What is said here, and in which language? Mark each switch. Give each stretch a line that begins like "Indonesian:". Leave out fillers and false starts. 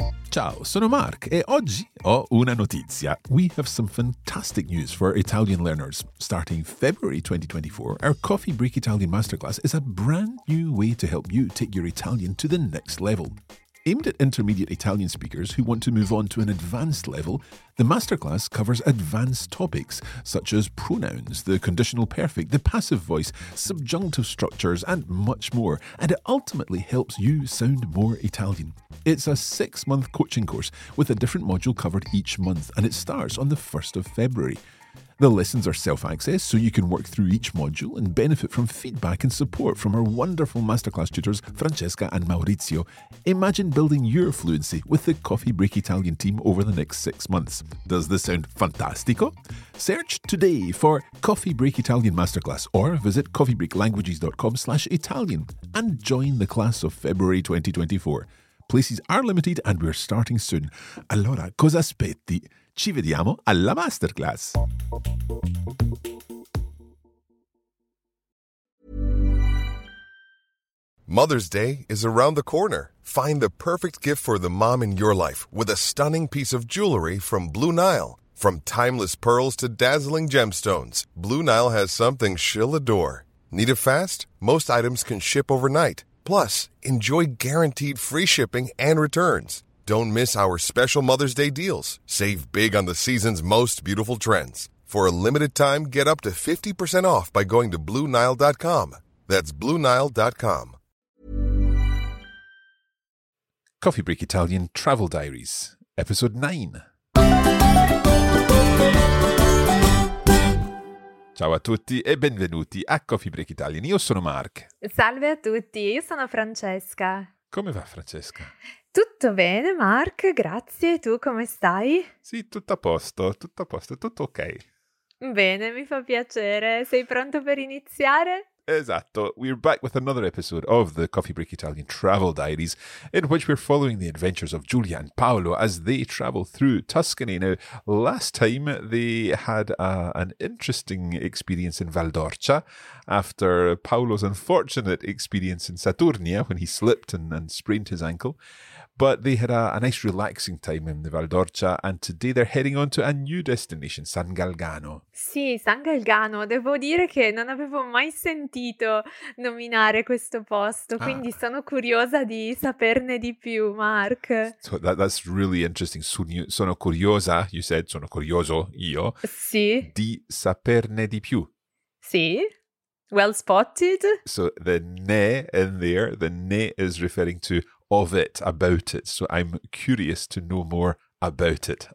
Italian: Ciao, sono Mark e oggi ho una notizia.
English: We have some fantastic news for Italian learners. Starting February 2024, our Coffee Break Italian Masterclass is a brand new way to help you take your Italian to the next level. Aimed at intermediate Italian speakers who want to move on to an advanced level, the masterclass covers advanced topics such as pronouns, the conditional perfect, the passive voice, subjunctive structures, and much more, and it ultimately helps you sound more Italian. It's a six-month coaching course with a different module covered each month, and it starts on the 1st of February. The lessons are self-access, so you can work through each module and benefit from feedback and support from our wonderful masterclass tutors, Francesca and Maurizio. Imagine building your fluency with the Coffee Break Italian team over the next 6 months. Does this sound fantastico? Search today for Coffee Break Italian Masterclass or visit coffeebreaklanguages.com/Italian and join the class of February 2024. Places are limited and we're starting soon.
Italian: Allora, cosa aspetti? Ci vediamo alla masterclass.
English: Mother's Day is around the corner. Find the perfect gift for the mom in your life with a stunning piece of jewelry from Blue Nile. From timeless pearls to dazzling gemstones, Blue Nile has something she'll adore. Need it fast? Most items can ship overnight. Plus, enjoy guaranteed free shipping and returns. Don't miss our special Mother's Day deals. Save big on the season's most beautiful trends. For a limited time, get up to 50% off by going to BlueNile.com. That's BlueNile.com. Coffee Break Italian Travel Diaries, Episode 9.
Italian: Ciao a tutti e benvenuti a Coffee Break Italian. Io sono Mark. Salve a tutti, io sono Francesca. Come va Francesca? Tutto bene, Mark, grazie. Tu come stai? Sì, tutto a posto, tutto ok. Bene, mi fa piacere. Sei pronto per iniziare? Esatto.
English: We're back with another episode of the Coffee Break Italian Travel Diaries, in which we're following the adventures of Giulia and Paolo as they travel through Tuscany. Now, last time they had an interesting experience in Val d'Orcia after Paolo's unfortunate experience in Saturnia when he slipped and sprained his ankle. But they had a nice relaxing time in the Val d'Orcia, and today they're heading on to a new destination, San Galgano.
Italian: Sì, San Galgano. Devo dire che non avevo mai sentito nominare questo posto, quindi sono curiosa di saperne di più, Mark.
English: So that's really interesting.
Italian: Sono curiosa,
English: you said,
Italian: sono curioso, io. Sì. Di saperne di più.
English: Sì. Well spotted. So the ne in there, the ne is referring to of it, about it. So I'm curious to know more about it.